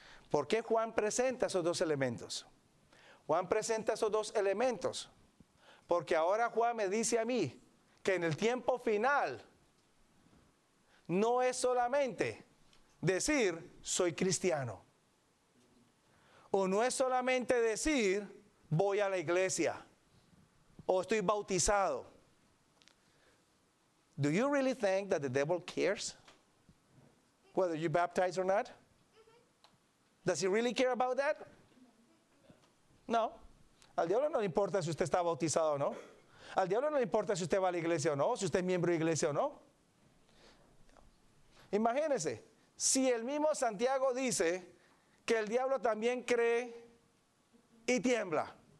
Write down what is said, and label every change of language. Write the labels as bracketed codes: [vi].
[es] ¿Por qué Juan presenta esos dos elementos? Juan presenta esos dos elementos porque ahora Juan me dice a mí que en el tiempo final no es solamente decir soy cristiano, o no es solamente decir voy a la iglesia o estoy bautizado. [en] Do you really think that the devil cares whether you're baptized or not? Does he really care about that? [es] No. Al diablo no le importa si usted está bautizado o no. Al diablo no le importa si usted va a la iglesia o no, si usted es miembro de iglesia o no. Imagínese, si el mismo Santiago dice que el diablo también cree y tiembla.